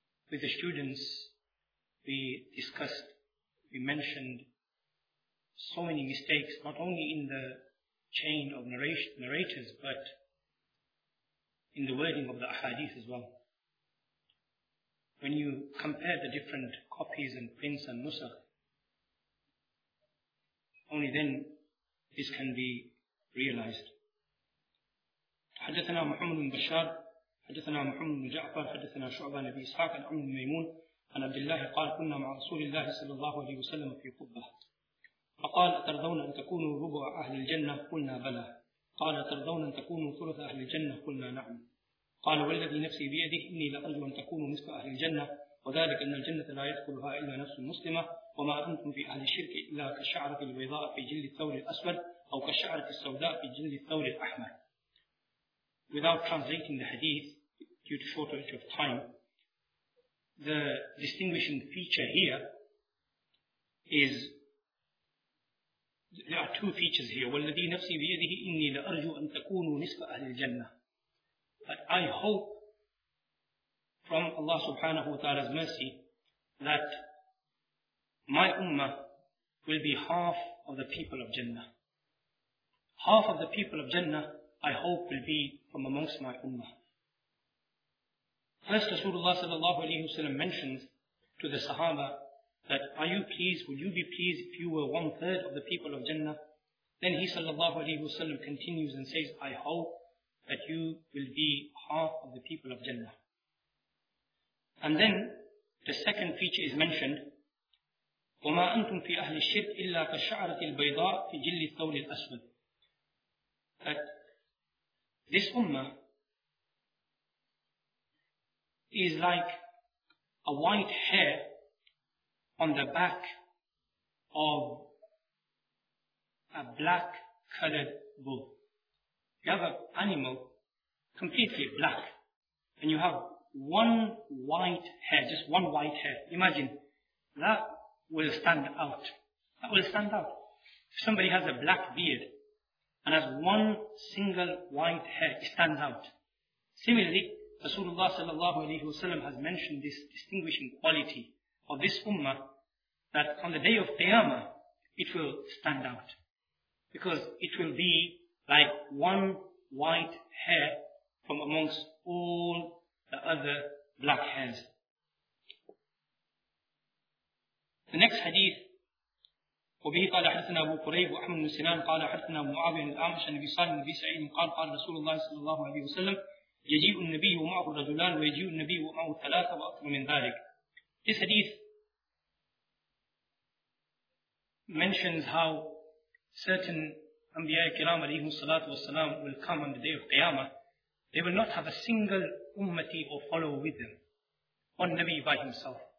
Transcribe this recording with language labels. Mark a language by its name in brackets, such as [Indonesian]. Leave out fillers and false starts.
[English] with the students, we discussed, we mentioned so many mistakes, not only in the chain of narrators, but in the wording of the ahadith as well. When you compare the different copies and prints and nusakh, only then this can be realized. [Arabic] حدثنا محمد بن بشار حدثنا محمد بن جعفر حدثنا شعبة بن إسحاق عن عمرو بن ميمون عن عبد الله قال كنا مع رسول الله صلى الله عليه وسلم في قبة فقال أترضون أن تكونوا ربع أهل الجنة قلنا بلى قال أترضون أن تكونوا ثلث أهل الجنة قلنا نعم قال والذي نفسي بيده إني لأرجو أن تكونوا نصف أهل الجنة وذلك أن الجنة لا يدخلها إلا نفس مسلمة وما أنتم في أهل الشرك إلا كالشعرة البيضاء في جلد الثور الأسود أو كالشعرة السوداء في جلد الثور الأحمر. [English] Without translating the hadith due to shortage of time, the distinguishing feature here is, there are two features here. [Arabic] وَالَّذِي نَفْسِي بِيَدِهِ إِنِّي لَأَرْجُوا أَن تَكُونُوا نِسْفَ أَهْلِ الْجَنَّةِ. [English] But I hope from Allah subhanahu wa ta'ala's mercy that my ummah will be half of the people of Jannah. Half of the people of Jannah I hope will be from amongst my ummah. First Rasulullah sallallahu alayhi wa sallam mentions to the Sahaba that are you pleased, will you be pleased if you were one third of the people of Jannah? Then he sallallahu alayhi wa sallam continues and says, I hope that you will be half of the people of Jannah. And then the second feature is mentioned, [Arabic] وَمَا أَنْتُمْ فِي أَهْلِ الشِّرْكِ إِلَّا كَالشَّعْرَةِ الْبَيْضَاءِ فِي جِلِّ الثَّوْلِ الْأَسْوَدِ. [English] That this ummah is like a white hair on the back of a black colored bull. You have an animal completely black and you have one white hair, just one white hair. Imagine, that will stand out. That will stand out. If somebody has a black beard and has one single white hair, it stands out. Similarly, Rasulullah sallallahu alayhi wa sallam has mentioned this distinguishing quality of this ummah, that on the day of Qiyamah, it will stand out. Because it will be like one white hair from amongst all the other black hairs. The next hadith, [Arabic] وبه قال حدثنا أبو قريب وأحمد بن سنان قال حدثنا معاوية بن الأعمش عن أبي صالح بن سعيد قال قال رسول الله صلى الله عليه وسلم يجيء النبي ومعه الرجلان ويجيء النبي ومعه ثلاثة وأكثر من ذلك. [English] This hadith mentions how certain [Arabic] أنبياء الكرام عليهم الصلاة والسلام [English] will come on the day of Qiyamah. They will not have a single ummati or follower with them. One Nabi by himself.